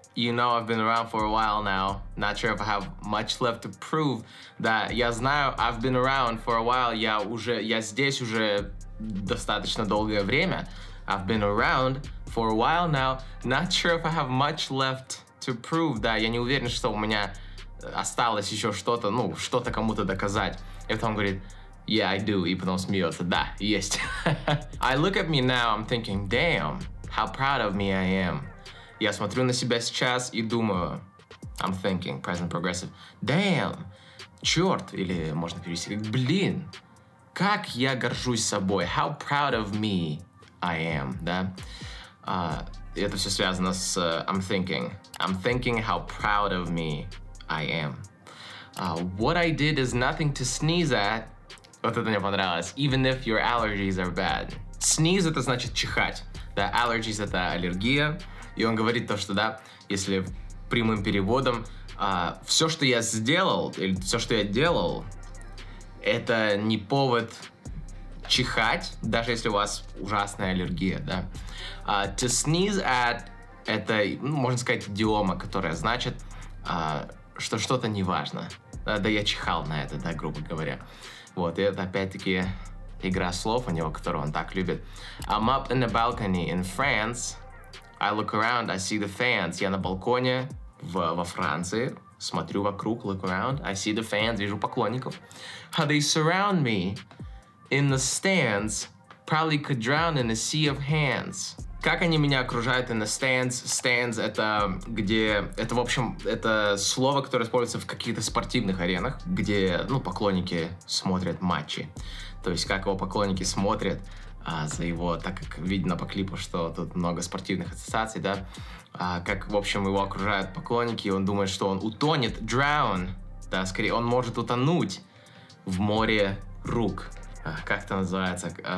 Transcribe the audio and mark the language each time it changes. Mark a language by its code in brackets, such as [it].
[en] You know, I've been around for a while now. Not sure if I have much left to prove. [ru] Да, я знаю, [en] I've been around for a while. [ru] Я здесь уже достаточно долгое время. [en] I've been around for a while now. Not sure if I have much left to prove. [ru] Да, я не уверен, что у меня осталось еще что-то, ну, что-то кому-то доказать. И потом он говорит, [en] yeah, I do. [ru] И потом смеется, да, есть. [en] I look at me now, I'm thinking, damn, how proud of me I am. [ru] Я смотрю на себя сейчас и думаю, [en] I'm thinking, present progressive, [ru] damn, черт, или можно перевести, как блин, как я горжусь собой, [en] how proud of me I am, [ru] да? Это все связано с [en] I'm thinking how proud of me I am. What I did is nothing to sneeze at, [ru] вот это мне понравилось, [en] even if your allergies are bad. [ru] Sneeze это значит чихать, да, allergies это аллергия. И он говорит то, что, да, если прямым переводом, все, что я сделал, или все, что я делал, это не повод чихать, даже если у вас ужасная аллергия, да. To sneeze at — это, ну, можно сказать, идиома, которая значит, что что-то неважно. Да я чихал на это, да, грубо говоря. Вот, и это опять-таки игра слов у него, которую он так любит. [en] I'm up in the balcony in France. I look around, I see the fans. [ru] Я на балконе во Франции. Смотрю вокруг, [en] look around. I see the fans, [ru] вижу поклонников. [en] How they surround me in the stands. Probably could drown in a sea of hands. [ru] Как они меня окружают [en] in the stands. [ru] Stands — это где... Это, в общем, это слово, которое используется в каких-то спортивных аренах, где, ну, поклонники смотрят матчи. То есть, как его поклонники смотрят... за его, так как видно по клипу, что тут много спортивных ассоциаций, да, как, в общем, его окружают поклонники, и он думает, что он утонет, drown, да, скорее, он может утонуть в море рук. Как это называется?